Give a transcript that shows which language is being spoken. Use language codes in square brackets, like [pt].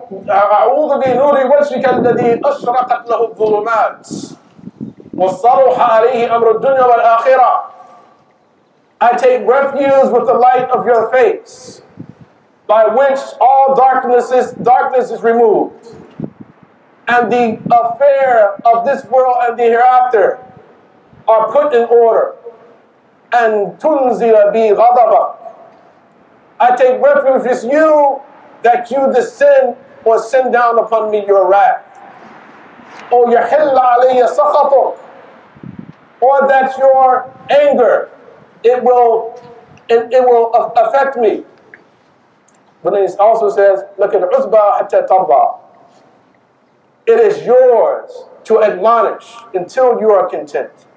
[ar] أعوذ بنور وجهك الذي أشرقت له الظلمات وصرح عليه أمر الدنيا والآخرة. [en] I take refuge with the light of your face, by which all darkness is removed, and the affair of this world and the hereafter are put in order. [ar] And تنزل بي غضبك. [en] I take refuge with you, that you descend or send down upon me your wrath. [ar] Or يحل علي سخطك. [en] Or that your anger, it will affect me. But then it also says, look at Khutbah hatta tarda. It is yours to admonish until you are content.